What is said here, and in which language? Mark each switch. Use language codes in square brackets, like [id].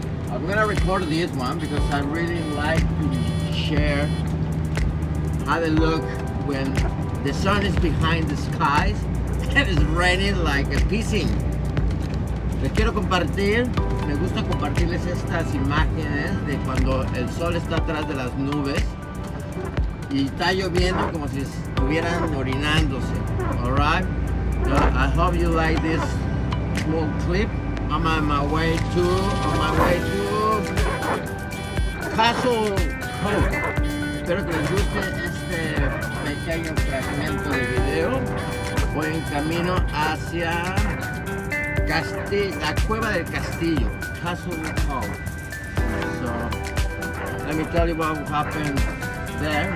[en] I'm gonna record this one because I really like to share how they look when the sun is behind the skies and it's raining like a pissing. [es] Les quiero compartir, me gusta compartirles estas imágenes de cuando el sol está atrás de las nubes y está lloviendo como si estuvieran orinándose. [en] Alright? So I hope you like this small clip. I'm on my way to Castillo. [es] espero que les guste este pequeño fragmento de video. Voy en camino hacia la cueva del Castillo, Castle Cove. [en] So, let me tell you what happened there.